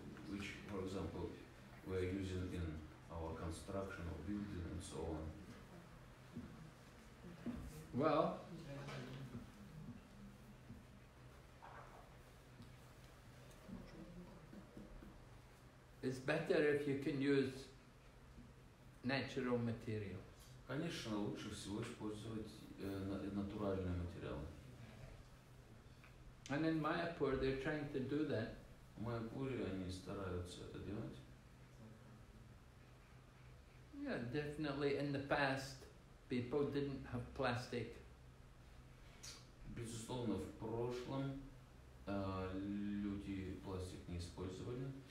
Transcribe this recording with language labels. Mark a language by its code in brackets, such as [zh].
[en] Which, for example, we are using in our construction or building and so on. Well, it's better if you can use natural materials. [ru] Конечно, лучше всего использовать натуральные материалы. [en] And in Mayapur, they're trying to do that. [ru] В Майапуре они стараются это делать. [en] Yeah, definitely. In the past, People didn't have plastic. [ru] Безусловно, в прошлом люди пластик не использовали.